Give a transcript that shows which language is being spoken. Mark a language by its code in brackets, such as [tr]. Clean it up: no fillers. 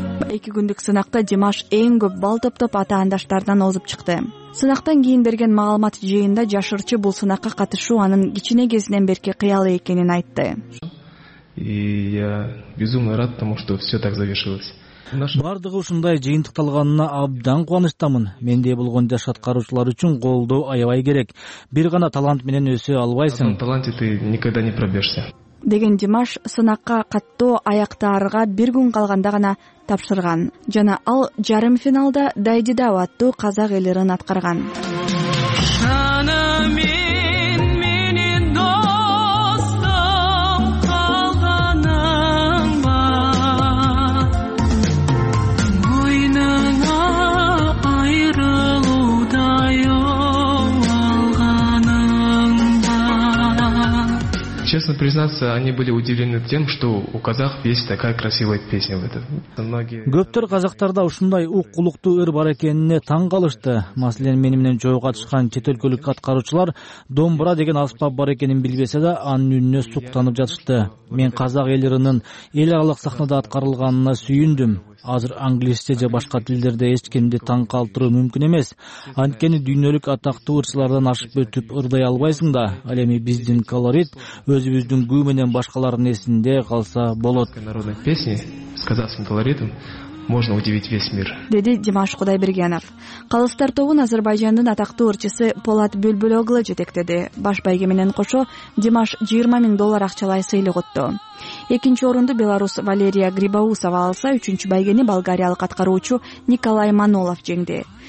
[ky] Эки күндүк сынакта Димаш эң көп балл топтоп атаандаштардан озуп чыкты. Сынактан кийин берген маалымат жыйынында жаш ырчы бул сынакка катышуу анын кичине кезинен берки кыялы экенин айтты. [ru] И я безумно рад тому, что все так завершилось. [ky] Бардыгы ушундай жыйынтыкталганына абдан кубанычтамын. Менде болгон жаш аткаруучулар үчүн колдоо аябай керек. Бир гана талант менен өсө албайсың. [ru] Таланты ты никогда не пробьешься. [ky] Деген Димаш сынакка каттоо аяктарга бир күн калганда гана тапшырган жана ал жарым финалда Дайдидау аттуу казак эл ырын аткарган. [ru] Честно признаться, они были удивлены тем, что у казахов есть такая красивая песня в этом. [ky] Көптөр казактарда ушундай укулуктуу ыр бар экенине таң калышты. Маселен, мени менен жоого катышкан чет өлкөлүк аткаруучулар домбура деген аспап бар экенин билбесе да, анын үнүнө суктанып жатышты. Мен казак эл ырынын эл аралык сахнада аткарылганына сүйүндүм. Азыр англисче же башка тилдерде эч кимди таң калтыруу мүмкүн эмес. Анткени дүйнөлүк атактуу ырчылардан ашып өтүп ырдай албайсың да. Ал эми биздин колорит өзүбүздүн күү менен башкалардын эсинде калса болот. [ru] Народные песни с казахским колоритом можно удивить весь мир. [ky] Деди Димаш Кудайбергенов. Калыстар тобун Азербайжандын атактуу ырчысы Полат Бүлбүлөглу жетектеди. Баш байге менен кошо Димаш 20,000 доллар акчалай сыйлык утту. Экинчи орунду белорус Валерия Грибоусова алса, үчүнчү байгени болгариялык аткаруучу Николай Манолов жеңди.